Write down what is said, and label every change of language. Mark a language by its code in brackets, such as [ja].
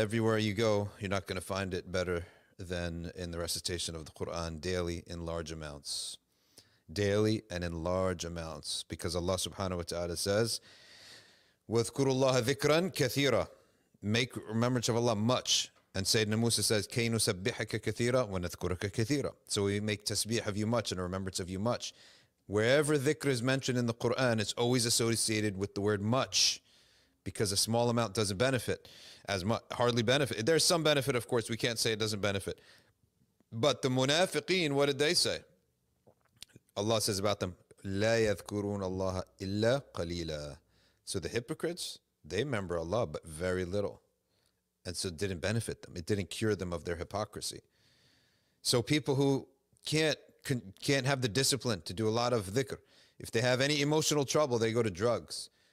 [en] Everywhere you go, you're not going to find it better than in the recitation of the Quran daily in large amounts. Daily and in large amounts. Because Allah Subhanahu Wa Ta'ala says, [ar] وَذْكُرُ اللَّهَ ذِكْرًا كَثِيرًا. [en] Make remembrance of Allah much. And Sayyidina Musa says, [ar] كَيْ نُسَبِّحَكَ كَثِيرًا وَنَذْكُرَكَ كَثِيرًا. [en] So we make tasbih of you much and remembrance of you much. Wherever dhikr is mentioned in the Qur'an, it's always associated with the word much, because a small amount doesn't benefit as much, hardly benefit. There's some benefit, of course. We can't say it doesn't benefit. But the munafiqeen, what did they say? Allah says about them, [ar] لَا يَذْكُرُونَ اللَّهَ إِلَّا قَلِيلًا. [en] So the hypocrites, they remember Allah, but very little. And so it didn't benefit them. It didn't cure them of their hypocrisy. So people who can't have the discipline to do a lot of dhikr, if they have any emotional trouble, they go to drugs.